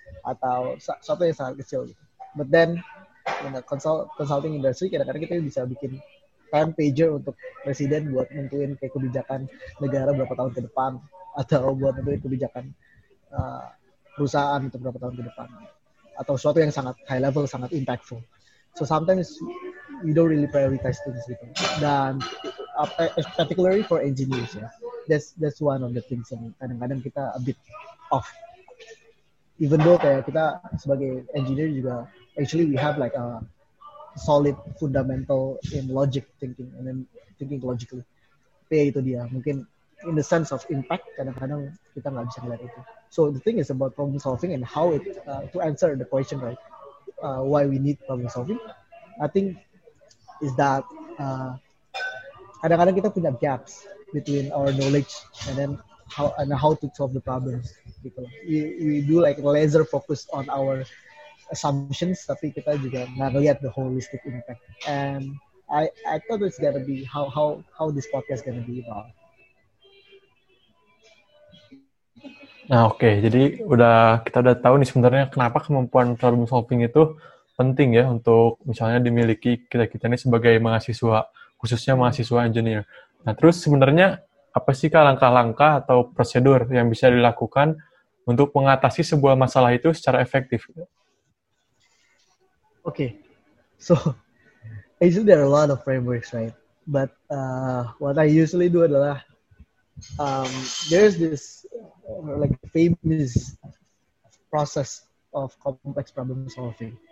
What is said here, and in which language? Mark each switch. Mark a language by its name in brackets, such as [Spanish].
[Indonesian] Atau sesuatu yang sangat kecil gitu. [English] But then in the consulting industry [Indonesian] kadang-kadang kita bisa bikin 10 pager untuk presiden buat nentuin kayak kebijakan negara berapa tahun ke depan atau buat nentuin kebijakan perusahaan untuk berapa tahun ke depan atau sesuatu yang sangat high level, sangat impactful. [English] So sometimes we don't really prioritize things [Indonesian] gitu. Dan [English] particularly for engineers ya. That's one of the things [Indonesian] yang kadang-kadang kita [English] a bit off. Even though [Indonesian] kayak kita sebagai engineer juga, [English] actually we have like a solid fundamental in logic thinking and then thinking logically. [Indonesian] Tapi itu dia, mungkin [English] in the sense of impact, [Indonesian] kadang-kadang kita nggak bisa ngeliat itu. [English] So the thing is about problem solving and how it to answer the question, right? Why we need problem solving. I think is that [Indonesian] kadang-kadang kita punya [English] gaps between our knowledge and then how to solve the problems. [Indonesian] Gitu. [English] We do like laser focus on our assumptions, [Indonesian] tapi kita juga nggak lihat [English] the holistic impact. And I thought it's gonna be how this podcast gonna be about. Nah, oke. Okay. [Indonesian] Jadi kita udah tahu nih sebenarnya kenapa kemampuan problem solving itu penting ya untuk misalnya dimiliki kita-kita ini sebagai mahasiswa, khususnya mahasiswa engineer. Nah, terus sebenarnya apa sih langkah-langkah atau prosedur yang bisa dilakukan untuk mengatasi sebuah masalah itu secara efektif? Oke. Okay. [English] So, actually there are a lot of frameworks, right? But what I usually do [Indonesian] adalah [English] there's this like famous process of complex problem solving.